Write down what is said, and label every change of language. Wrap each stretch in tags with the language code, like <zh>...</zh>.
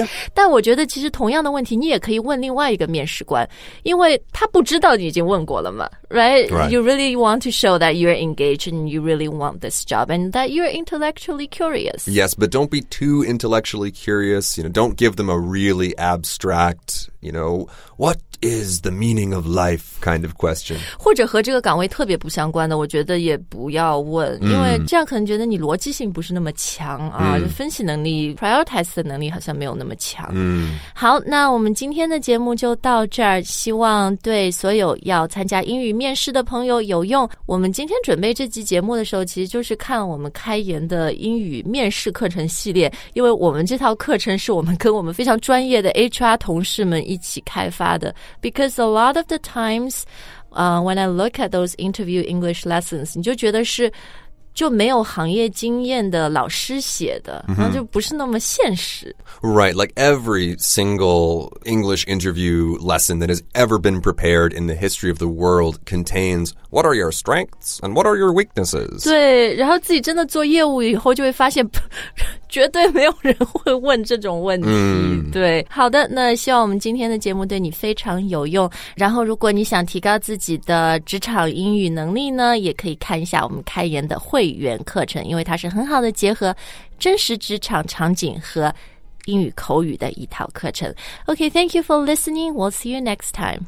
<en>Yeah.</en> <zh>但我觉得其实同样的问题你也可以问另外一个面试官，因为他不知道你已经问过了嘛，</zh> <en>right? Right. You really want to show that you're engaged and you really want this job and that you're intellectually curious. Yes, but don't be too intellectually curious. You know, don't give them a really abstract, you know, what is the meaning of life kind of question.</en> <zh>或者和这个岗位特别不相关的，我觉得也不要问，因为这样可能觉得你逻辑性不是那么强啊，分析能力 prioritize 的能力好像没有那么强。好，那我们今天的节目就到这儿，希望对所有要参加英语面试的朋友有用。我们今天准备这集节目的时候，其实就是看我们开言的英语面试课程系列，因为我们这套课程是我们跟我们非常专业的 HR 同事们一起开发的。</zh> <en>Because a lot of the times, when I look at those interview English lessons,</en> <zh>你就觉得是就没有行业经验的老师写的，然后就不是那么现实。</zh> <en>Right, like every single English interview lesson that has ever been prepared in the history of the world contains what are your strengths and what are your weaknesses?</en> <zh>对，然后自己真的做业务以后就会发现绝对没有人会问这种问题。对，好的，那希望我们今天的节目对你非常有用。然后如果你想提高自己的职场英语能力呢，也可以看一下我们开言的会员课程，因为它是很好的结合真实职场场景和英语口语的一套课程。</zh> <en>OK, thank you for listening. We'll see you next time.</en>